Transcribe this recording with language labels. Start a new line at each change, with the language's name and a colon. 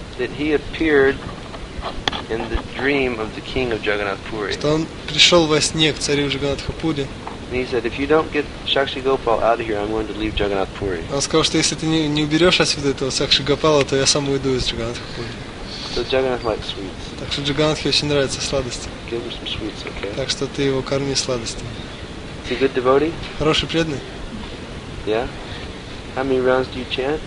English: That he appeared in the dream of the king of Jagannath Puri.
Russian: Что он пришел во сне к царю Джаганнатх Пури.
English: And he said, if you don't get Shakshi Gopal out of here, I'm going to leave Jagannath Puri.
Russian: Он сказал, что если ты не уберешь отсюда этого Сакши Гопала, то я сам уйду из Джаганнатх Пури.
English: So Jagannath likes sweets.
Russian: Так что Джаганнатхе очень нравятся сладости.
English: Give him some sweets, okay?
Russian: Так что ты его корми сладостями.
English: Is he a good devotee?
Russian: Хороший преданный?
English: Yeah. How many rounds do you chant?